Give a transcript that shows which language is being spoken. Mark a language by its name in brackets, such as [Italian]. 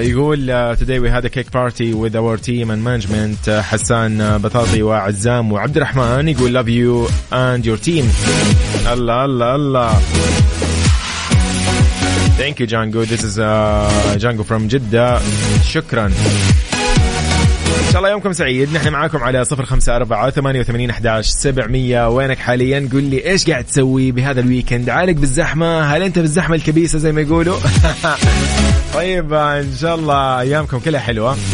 [Arabic] يقول [English] today we had a cake party with our team and management. [Arabic] حسان بطاطي وعزام وعبد الرحمن يقول [English] love you and your team. [Arabic] الله الله الله، [English] thank you [Arabic] Django. [English] This is Django from Jeddah. [Arabic] شكرا، إن شاء الله يومكم سعيد. نحن معاكم على 054-88-11-700. وينك حاليا؟ قل لي إيش قاعد تسوي بهذا الويكند؟ عالق بالزحمة؟ هل أنت بالزحمة الكبيسة زي ما يقولوا؟ طيب إن شاء الله أيامكم كلها حلوة.